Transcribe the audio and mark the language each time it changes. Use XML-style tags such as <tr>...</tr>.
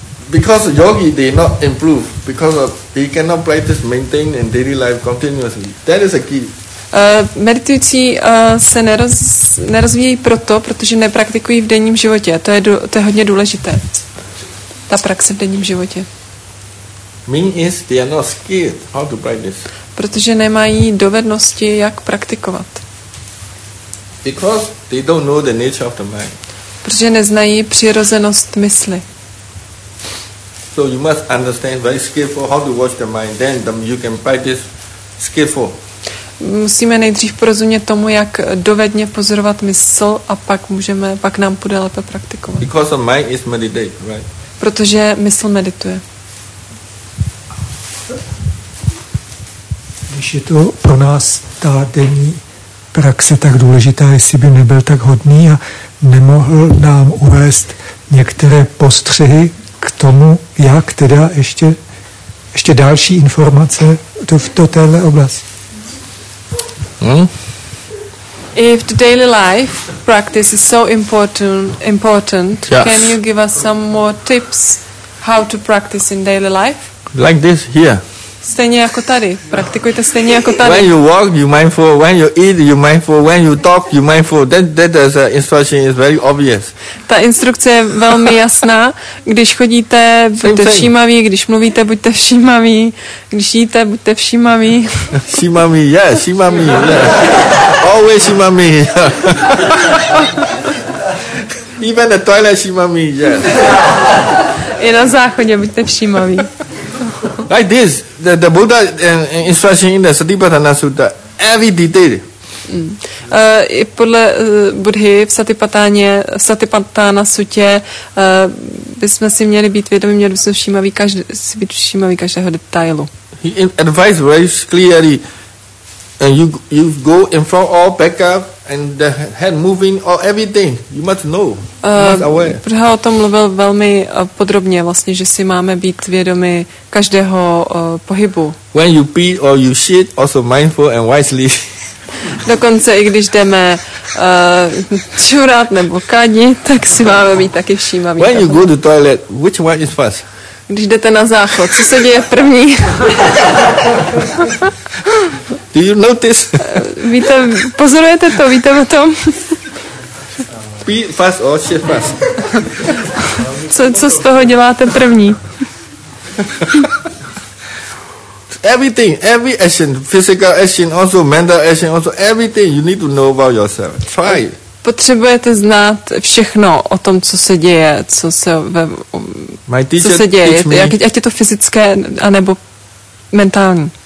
<en>Because yogi did not improve because of he cannot practice maintain in daily life continuously. That is a key.</en> <cs>Meditující se nerozvíjí proto, protože nepraktikují v denním životě. To je to je hodně důležité. Ta praxe v denním životě.</cs> <en>Mean is they are not skilled how to practice.</en> <cs>Protože nemají dovednosti, jak praktikovat.</cs> <en>Because they don't know the nature of the mind.</en> <cs>Protože neznají přirozenost mysli.</cs> <en>So you must understand very skillful how to watch the mind, then you can practice skillful.</en> <cs>Musíme nejdřív porozumět tomu, jak dovedně pozorovat mysl a pak nám půjde lépe praktikovat.</cs> <en>Because the mind is meditate, right?</en> <cs>Protože mysl medituje. Když je to pro nás ta denní praxe tak důležitá, jestli by nebyl tak hodný a nemohl nám uvést některé postřehy k tomu, jak teda ještě další informace do téhle oblasti.</cs> <en>If the daily life practice is so important, yes. Can you give us some more tips how to practice in daily life? Like this here.</en> <cs>Stejně jako tady. Praktikujte stejně jako tady.</cs> <en>When you walk, you mindful. When you eat, you mindful. When you talk, you mindful. That is the instruction is very obvious.</en> <cs>Ta instrukce je velmi jasná. Když chodíte, buďte všímaví. Když mluvíte, buďte všímaví. Když jíte, buďte všímaví. Všímaví,</cs> <en>yeah,</en> <cs>všímaví.</cs> <en>Yeah. Always</en> <cs>všímaví.</cs> <en>Even the toilet všímaví, yeah.</en> <cs>I na záchodě buďte všímaví.</cs> <en>Like this, the Buddha instruction in the Satipatthana Sutta, every detail.</en> <cs>I podle Buddhy v Satipatthana Sutě bychom si měli být vědomi, měli bychom všímaví každého detailu.</cs> <en>He advised very clearly, and you go in front all back up, and the head moving or everything you must know.</en> <cs>Proto o tom mluvil velmi podrobně, vlastně, že si máme být vědomi každého pohybu.</cs> <en>When you pee or you shit, also mindful and wisely.</en> <cs>Dokonce i když jdeme čurát nebo kadit, tak si máme být taky všímaví.</cs> <en>When you go to toilet, which one is first?</en> <cs>Když jdete na záchod, co se děje první?</cs> <en>Do you notice?</en> <cs>Víte, pozorujete to, víte o tom?</cs> <en>Pee fast or shit fast?</en> <cs>Co z toho děláte první?</cs> <en>Everything, every action, physical action, also mental action, also everything you need to know about yourself. Try it.</en> <cs>Potřebujete znát všechno o tom, co se děje, co se děje, ať je to fyzické anebo mentální.</cs>